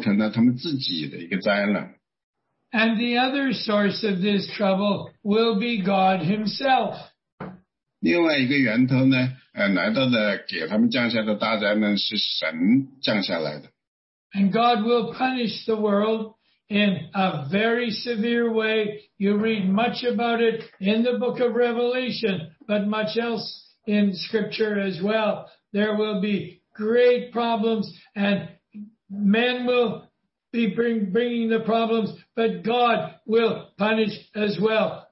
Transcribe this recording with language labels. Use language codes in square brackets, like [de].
[zh] 第一个灾难呢，就是说，这一个第一个灾难呢，就是是要从政府军队里面来，当时的那些那个国家呢、人民呢、政府呢，他们互相为敌，然后他们互相都要攻打对方，这样是造成了他们自己的一个灾难。 [en] And the other source of this trouble will be God Himself. [zh] 另外一个源头呢，来到的给他们降下的大灾呢，是神降下来的。 [en] And God will punish the world in a very severe way. You read much about it in the book of Revelation, but much else in scripture as well. There will be great problems and men will be bringing the problems, but God will punish as well.